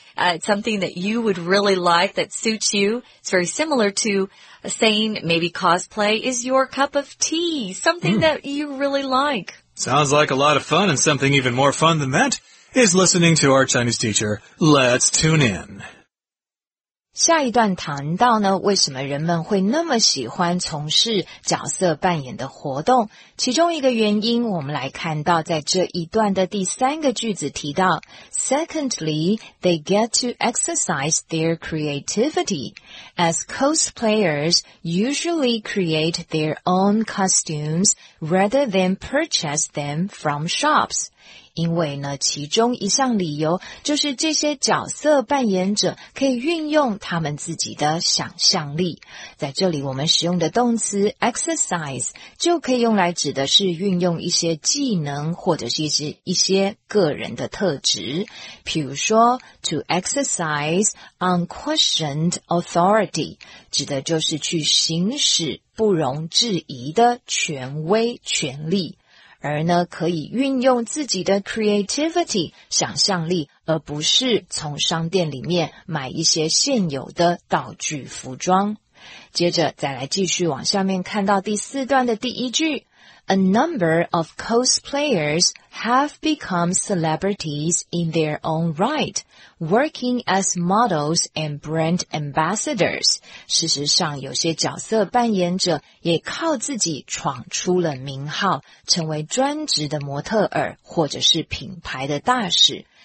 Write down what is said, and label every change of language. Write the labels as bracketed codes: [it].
[en] It's something that you would really like that suits you. It's very similar to saying maybe cosplay is your cup of tea, something that you really like. Sounds like a lot of fun, and something even more fun than that is listening to our Chinese teacher. Let's tune in. [zh] 下一段谈到呢，为什么人们会那么喜欢从事角色扮演的活动？其中一个原因，我们来看到在这一段的第三个句子提到 [en] ，Secondly, they get to exercise their creativity, as cosplayers usually create their own costumes rather than purchase them from shops. [zh] 因为呢，其中一项理由就是这些角色扮演者可以运用他们自己的想象力。在这里我们使用的动词 exercise 就可以用来指的是运用一些技能或者是一些个人的特质。譬如说 [en] to exercise unquestioned authority [zh] 指的就是去行使不容置疑的权威权力。而呢，可以运用自己的 creativity 想象力，而不是从商店里面买一些现有的道具服装。接着再来继续往下面看到第四段的第一句 [en] ，A number of cosplayers have become celebrities in their own right, working as models and brand ambassadors. [zh] 事实上有些角色扮演者也靠自己闯出了名号，成为专职的模特儿或者是品牌的大使。